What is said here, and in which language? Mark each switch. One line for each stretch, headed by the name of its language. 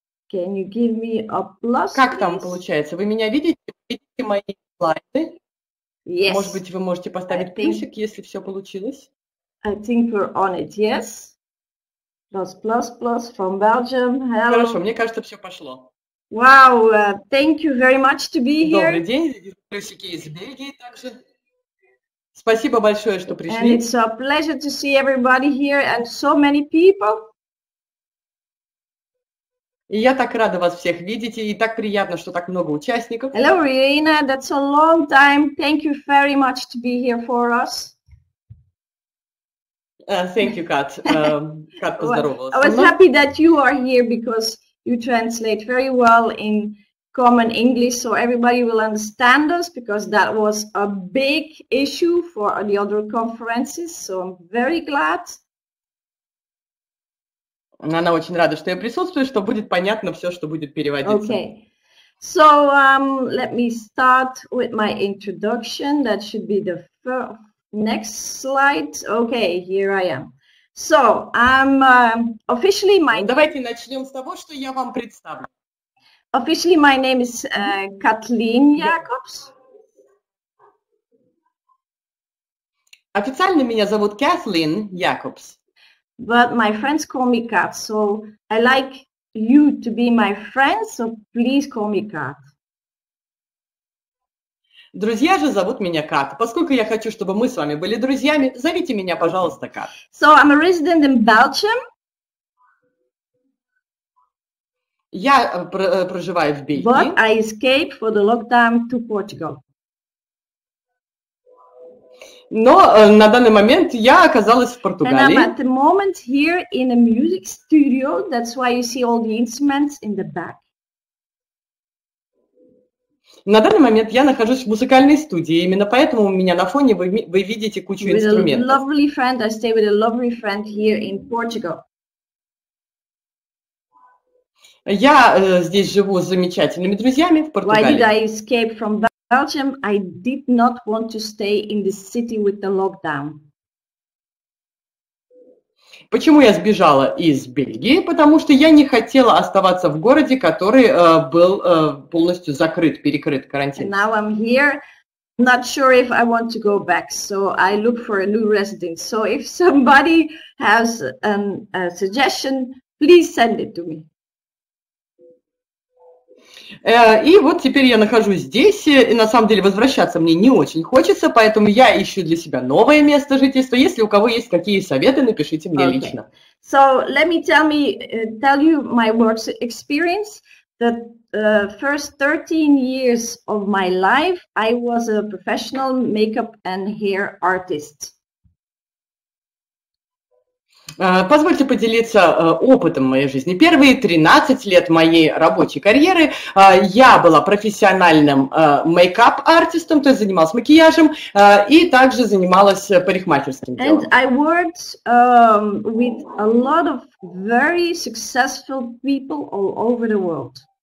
English: Can you give me a plus?
Russian: Как там получается? Вы меня видите? Видите мои слайды?
English: Yes.
Russian: Может быть, вы можете поставить плюсик, если все получилось?
English: I think we're on it, yes. Plus, plus, plus from Belgium. Hello.
Russian: Хорошо, мне кажется, все пошло.
English: Wow, thank you very much to be here.
Russian: Добрый день, плюсики из Бельгии также. Спасибо большое, что пришли.
English: And it's a pleasure to see everybody here and so many people.
Russian: И я так рада вас всех видеть, и так приятно, что так много участников.
English: Hello, Rina. That's a long time. Thank you very much to be here for us. Thank you, Kat. Kat
Russian: поздоровалась.
English: Well, I was happy that you are here because you translate very well in common English, so everybody will understand us, because that was a big issue for the other conferences, so I'm very glad.
Russian: Она очень рада, что я присутствую, что будет понятно все, что будет переводиться.
English: Okay, so let me start with my introduction, that should be the next slide. Okay, here I am. So, I'm officially my...
Russian: Давайте начнем с того, что я вам представлю.
English: Officially, my name is Kathleen Jacobs.
Russian: Официально меня зовут Kathleen Jacobs.
English: But my friends call me Kat, so I like you to be my friend, so please call me Kat.
Russian: Друзья же зовут меня Кат. Поскольку я хочу, чтобы мы с вами были друзьями, зовите меня, пожалуйста, Кат.
English: So I'm a resident in Belgium.
Russian: Я проживаю в Бельгии.
English: But I escaped for the lockdown to Portugal.
Russian: Но на данный момент я оказалась в Португалии.
English: And I'm at the moment here in a music studio. That's why you see all the instruments in the back.
Russian: На данный момент я нахожусь в музыкальной студии. Именно поэтому у меня на фоне вы видите кучу
English: with
Russian: инструментов.
English: A lovely friend. I stay with a lovely friend here in Portugal.
Russian: Я здесь живу с замечательными друзьями в Португалии.
English: Why did I escape from Belgium? I did not want to stay in the city with the lockdown.
Russian: Почему я сбежала из Бельгии? Потому что я не хотела оставаться в городе, который был полностью закрыт, перекрыт карантином.
English: Now I'm here. Not sure if I want to go back, so I look for a new residence. So if somebody has a suggestion, please send it to me.
Russian: И вот теперь я нахожусь здесь, и на самом деле возвращаться мне не очень хочется, поэтому я ищу для себя новое место жительства. Если у кого есть какие советы, напишите мне лично.
English: So let me tell you my work experience. The first 13 years of my life I was a professional makeup and hair artist. Позвольте поделиться опытом моей жизни. Первые 13 лет моей рабочей карьеры я была профессиональным мейкап-артистом, то есть занималась макияжем, и также занималась парикмахерским делом. And I worked with a lot of very successful people all over the world.